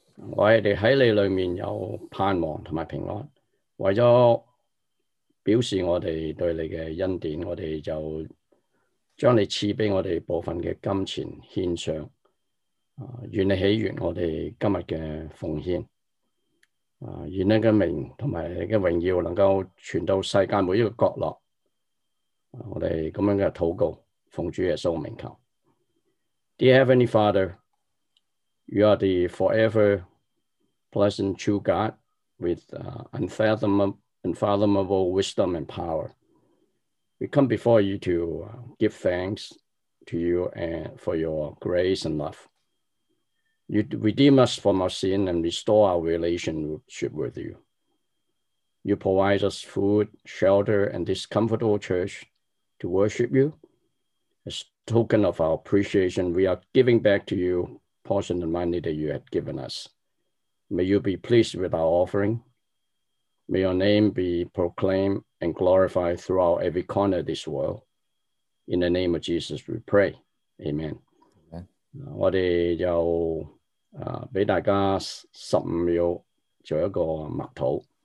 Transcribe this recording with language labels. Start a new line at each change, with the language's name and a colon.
Chinese: 我们在你里面有盼望和平安，为了表示我们对你的恩典，我们就将你赐给我们部分的金钱献上，愿你喜悦我们今天的奉献，愿你的名和你的荣耀能够传到世界每一个角落。我们这样的祷告奉主耶稣名求。
English: Dear Heavenly Father, you are the forever pleasant true God with unfathomable wisdom and power. We come before you to give thanks to you and for your grace and love. You redeem us from our sin and restore our relationship with you. You provide us food, shelter, and this comfortable church to worship you. As token of our appreciation, we are giving back to you portion of money that you had given us. May you be pleased with our offering. May your name be proclaimed and glorified throughout every corner of this world. In the name of Jesus, we pray. Amen. Amen.
Chinese: 我们就给大家15秒做一个默祷。